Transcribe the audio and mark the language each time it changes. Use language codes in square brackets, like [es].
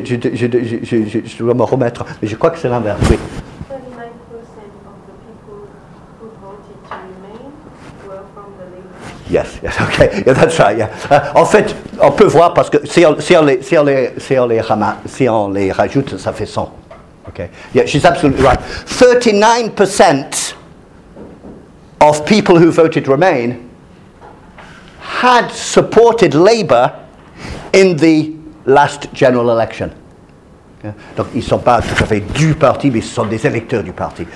[fr] Peut-être je dois me remettre, mais je crois que c'est l'inverse. Oui. [en] 39% of the people who voted to Remain were from the Labour. Yes, okay, that's right. [fr] Yeah. En fait, on peut voir parce que si on les rajoute, ça fait 100. [en] Okay. Yeah, she's absolutely right. 39% of people who voted Remain had supported Labour in the last general election. Yeah. [fr] Donc, ils ne sont pas tout à fait du parti, mais ce sont des électeurs du parti.